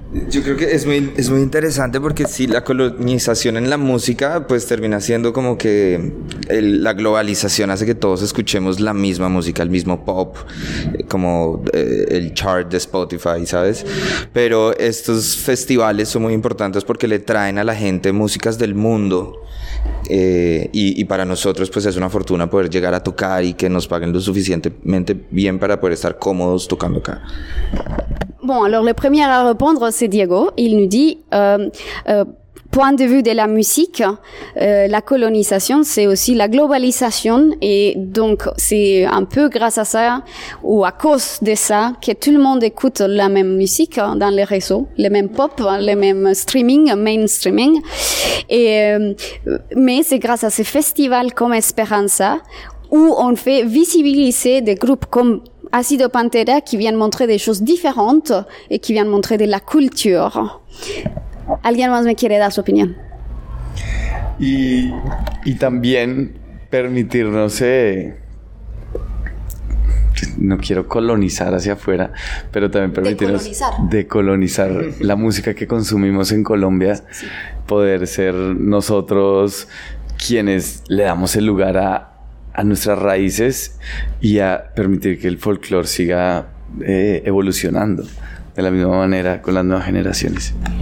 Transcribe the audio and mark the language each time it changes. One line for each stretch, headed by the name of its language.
Spanish: Yo creo que es muy interesante porque sí, la colonización en la música pues termina siendo como que la globalización hace que todos escuchemos la misma música, el mismo pop, como el chart de Spotify, ¿sabes? Pero estos festivales son muy importantes porque le traen a la gente músicas del mundo y para nosotros pues es una fortuna poder llegar a tocar y que nos paguen lo suficientemente bien para poder estar cómodos tocando acá.
French: Bon, alors le premier à répondre, c'est Diego. Il nous dit, point de vue de la musique, la colonisation, c'est aussi la globalisation. Et donc, c'est un peu grâce à ça, ou à cause de ça, que tout le monde écoute la même musique dans les réseaux, les mêmes pop, les mêmes streaming, mainstreaming. Et, mais c'est grâce à ces festivals comme Esperanza, où on fait visibiliser des groupes comme Acido Pantera qui vient montrer des choses différentes et qui vient montrer de la culture.
Spanish: ¿Alguien más me quiere dar su opinión? Y también permitirnos, no quiero colonizar hacia afuera, pero también permitirnos decolonizar la música que consumimos en Colombia, sí. Poder ser nosotros quienes le damos el lugar a nuestras raíces y a permitir que el folclore siga evolucionando de la misma manera con las nuevas generaciones.